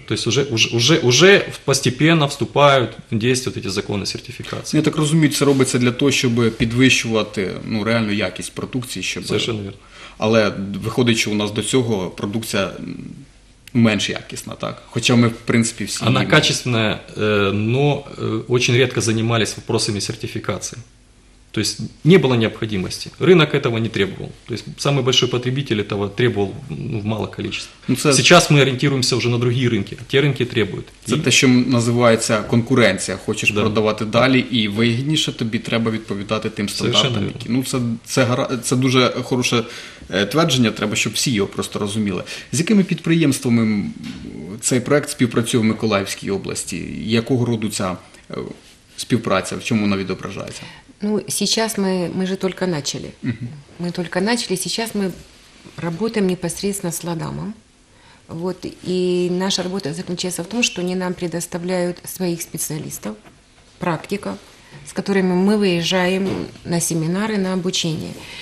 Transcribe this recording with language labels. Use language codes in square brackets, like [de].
[ru] То есть уже постепенно вступают в действие вот эти законы сертификации. Я так разумею, это делается для того, чтобы [uk] подвищувати, [ru] ну, реальную [uk] якість [ru] продукции. [uk] Щоб... [ru] Совершенно верно. [uk] Але виходить, що у нас до цього продукция менш якісна, так? Хоча ми, в принципі, всі... [ru] Она качественная, но очень редко занимались вопросами сертификации. То есть не было необходимости. Рынок этого не требовал. То есть самый большой потребитель этого требовал, ну, в малых количествах. Ну, сейчас мы ориентируемся уже на другие рынки. Те рынки требуют. Это то, что называется конкуренция. Хочешь продавать далее, и выгоднее тебе [uk] треба відповідати тим стандартам. Ну, це дуже хороше твердження, треба, щоб всі його просто розуміли. З якими підприємствами цей проект співпрацює в Миколаївській області? Якого роду ця співпраця? В чому вона відображається? [ru] Ну, сейчас мы же только начали. Угу. Мы только начали. Сейчас мы работаем непосредственно с Ладамом. Вот. И наша работа заключается в том, что они нам предоставляют своих специалистов, практиков, с которыми мы выезжаем на семинары, на обучение.